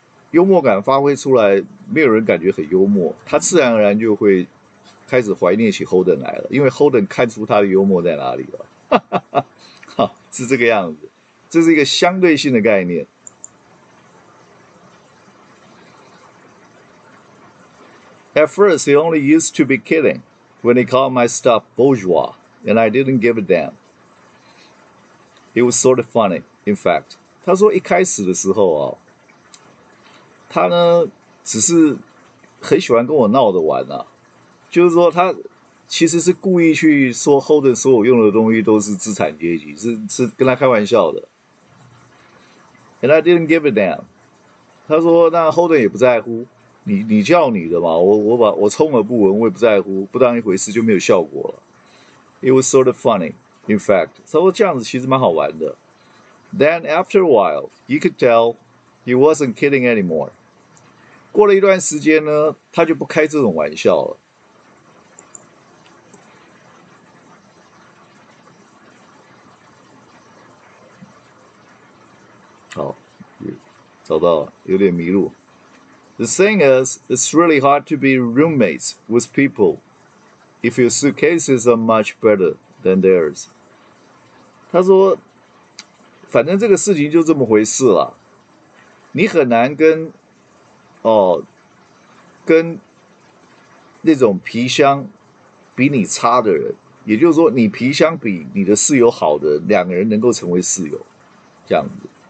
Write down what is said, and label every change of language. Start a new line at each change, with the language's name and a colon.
Chinese: 幽默感发挥出来，没有人感觉很幽默，他自然而然就会开始怀念起 Holden 来了，因为 Holden 看出他的幽默在哪里了，哈哈哈，是这个样子，这是一个相对性的概念。
English: At first, he only used to be kidding when he called my stuff bourgeois, and I didn't give a damn. It was sort of funny, in fact.
Chinese: 他说一开始的时候啊，他呢只是很喜欢跟我闹着玩啊，就是说他其实是故意去说 Holden 所有用的东西都是资产阶级，是跟他开玩笑的。
English: And I didn't give a damn.
Chinese: 他说那 Holden 也不在乎。你叫你的嘛，我充耳不闻，我也不在乎，不当一回事就没有效果了。
English: It was sort of funny, in fact.
Chinese: 他说这样子其实蛮好玩的。
English: Then after a while, you could tell he wasn't kidding anymore.
Chinese: 过了一段时间呢，他就不开这种玩笑了。好，找到了，有点迷路。
English: The thing is, it's really hard to be roommates with people if your suitcases are much better than theirs.
Chinese: 他说，反正这个事情就这么回事了。你很难跟那种皮箱比你差的人，也就是说，你皮箱比你的室友好的两个人能够成为室友，这样子。